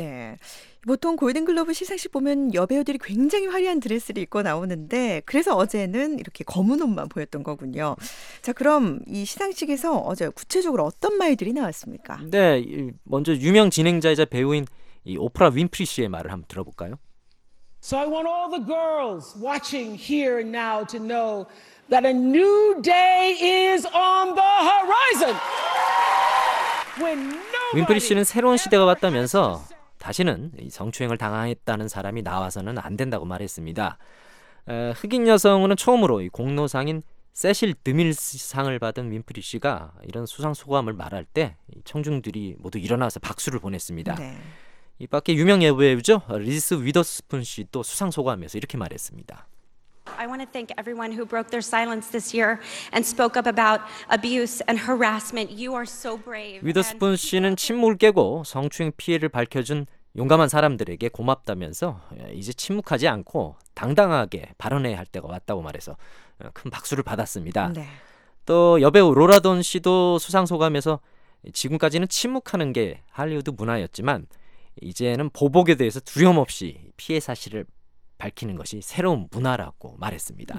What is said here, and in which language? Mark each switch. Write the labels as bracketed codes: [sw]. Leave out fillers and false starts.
[ko] 네, 보통 골든글러브 시상식 보면 여배우들이 굉장히 화려한 드레스를 입고 나오는데 그래서 어제는 이렇게 검은 옷만 보였던 거군요. 자, 그럼 이 시상식에서 어제 구체적으로 어떤 말들이 나왔습니까? 네, 먼저 유명 진행자이자 배우인 이 오프라 윈프리 씨의 말을 한번 들어볼까요? [en] So I want all the girls watching here and now to know that a new day is on the horizon. [ko] 윈프리 씨는 새로운 시대가 왔다면서 다시는 성추행을 당했다는 사람이 나와서는 안 된다고 말했습니다. 흑인 여성으로는 처음으로 공로상인 세실 드밀상을 받은 윈프리 씨가 이런 수상 소감을 말할 때 청중들이 모두 일어나서 박수를 보냈습니다. 네. 이 밖에 유명 여배우죠. 리스 위더스푼 씨도 수상 소감하면서 이렇게 말했습니다. [en] I want to thank everyone who broke their silence this year and spoke up about abuse and harassment. You are so brave. [ko] 위더스푼 씨는 침묵을 깨고 성추행 피해를 밝혀준 용감한 사람들에게 고맙다면서 이제 침묵하지 않고 당당하게 발언해야 할 때가 왔다고 말해서 큰 박수를 받았습니다. 네. 또 여배우 로라 돈 씨도 수상 소감에서 지금까지는 침묵하는 게 할리우드 문화였지만 이제는 보복에 대해서 두려움 없이 피해 사실을 밝히는 것이 새로운 문화라고 말했습니다.